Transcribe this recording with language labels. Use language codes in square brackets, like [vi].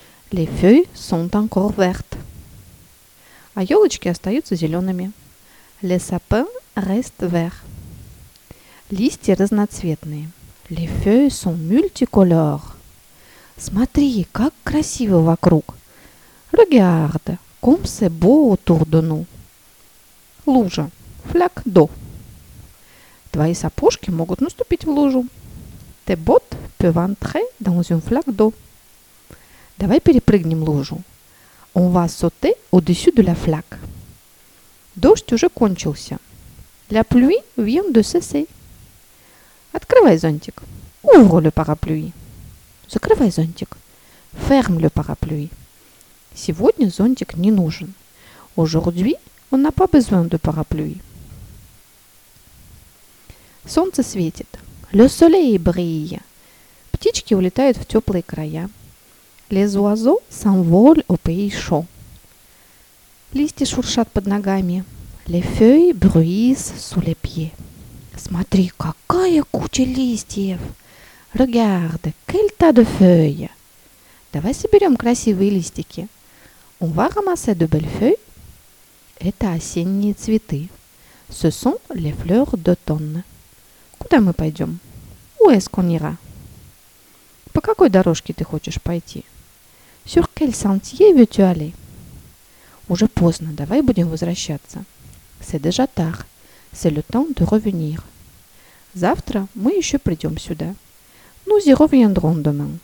[fr] Les feuilles sont encore vertes. [ru] А елочки остаются зелеными. [fr] Les sapins restent verts. [ru] Листья разноцветные. [fr] Les feuilles sont multicolores. [ru] Смотри, как красиво вокруг. [fr] Regarde, comme c'est beau autour de nous. [ru] Лужа. [fr] Flaque d'eau. [ru] Твои сапожки могут наступить в лужу. [fr] Tes bottes peuvent entrer dans une flaque d'eau. [ru] Давай перепрыгнем лужу. [fr] On va sauter au-dessus de la flaque. [ru] Дождь уже кончился. [fr] La pluie vient de cesser. [ru] Открывай зонтик. [fr] Ouvre le parapluie. [ru] Закрывай зонтик. [fr] Ferme le parapluie. [ru] Сегодня зонтик не нужен. [fr] Aujourd'hui, on n'a pas besoin de parapluie. [ru] Солнце светит. [fr] Le soleil brille. [ru] Птички улетают в теплые края. [fr] Les oiseaux s'envolent au pays chaud. [ru] Листья шуршат под ногами. [fr] Les feuilles bruissent sous les pieds. [ru] Смотри, какая куча листьев! [fr] Regarde, quel tas de feuilles! [ru] Давай соберем красивые листики. [fr] On va ramasser de belles feuilles. [ru] Это осенние цветы. [fr] Ce sont les fleurs d'automne. [ru] Куда мы пойдем? [fr] Où est-ce qu'on ira? [ru] По какой дорожке ты хочешь пойти? [fr] Sur quel sentier veux-tu aller? [ru] Уже поздно, давай будем возвращаться. [fr] C'est déjà tard. C'est le temps de revenir. [ru] Завтра мы еще придем сюда. [fr] Nous y reviendrons demain.